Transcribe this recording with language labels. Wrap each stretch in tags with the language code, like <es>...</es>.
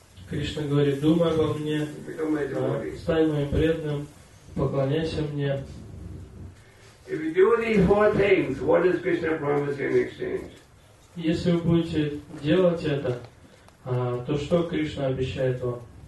<ru>Кришна говорит, думай обо мне, стань моим преданным, поклоняйся мне.</ru> <en>If you do these four things, what does Krishna promise you in exchange?</en> <ru>Если вы будете делать это, то что Кришна обещает вам?</ru>